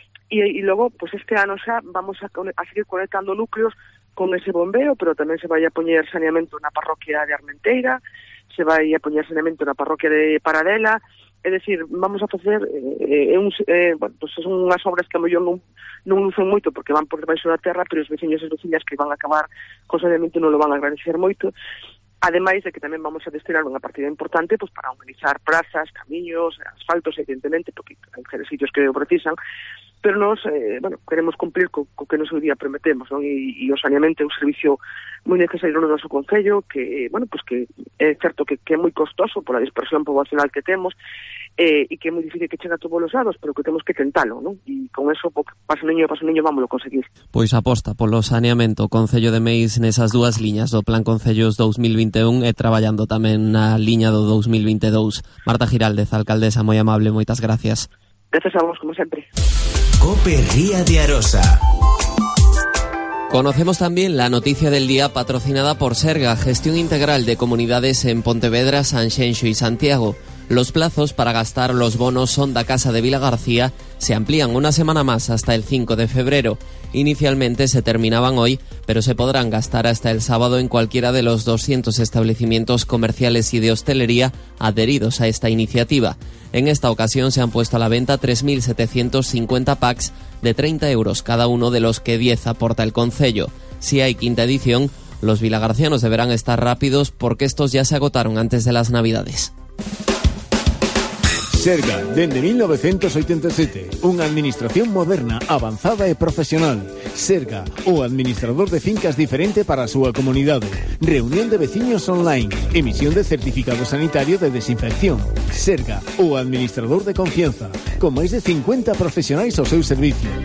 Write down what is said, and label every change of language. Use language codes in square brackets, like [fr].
[gl] E logo, pues este ano xa vamos a seguir conectando núcleos con ese bombeo, pero tamén se vai a poñer saneamento na parroquia de Armenteira, se vai a poñer saneamento na parroquia de Paradela, é decir, vamos a facer pues son unhas obras que a mellor non lucen moito porque van por debaixo da terra, pero os veciños e veciñas que van a acabar con saneamento non lo van a agradecer moito, ademais de que tamén vamos a destinar unha partida importante pues para organizar prazas, camiños, asfaltos, evidentemente, porque hai que ser sitios que o precisan. Pero nos, bueno, queremos cumplir co que nos hoy día prometemos, ¿no? E o saneamento é un servicio moi necesario no noso concello, que, bueno, pues que é certo que é moi costoso pola dispersión poboacional que temos, e que é moi difícil que chegue a todos os lados, pero que temos que tentalo, ¿no? E con eso, paso niño, vámoslo a conseguir. Pois aposta polo saneamento, Concello de Meis, nesas dúas liñas do Plan Concellos 2021 e traballando tamén na liña do 2022. Marta Giraldez, alcaldesa, moi amable, moitas gracias. Gracias a vos, como sempre. [es] COPE Ría de Arosa. Conocemos también la noticia del día patrocinada por Serga, gestión integral de comunidades en Pontevedra, Sanxenxo y Santiago. Los plazos para gastar los bonos Sonda Casa de Vila García se amplían una semana más hasta el 5 de febrero. Inicialmente se terminaban hoy, pero se podrán gastar hasta el sábado en cualquiera de los 200 establecimientos comerciales y de hostelería adheridos a esta iniciativa. En esta ocasión se han puesto a la venta 3.750 packs de 30 euros cada uno, de los que 10 aporta el concello. Si hay quinta edición, los vilagarcianos deberán estar rápidos porque estos ya se agotaron antes de las Navidades. [gl] Serga, dende 1987, unha administración moderna, avanzada e profesional. Serga, o administrador de fincas diferente para a súa comunidade. Reunión de veciños online, emisión de certificado sanitario de desinfección. Serga, o administrador de confianza, con máis de 50 profesionais ao seu servicio.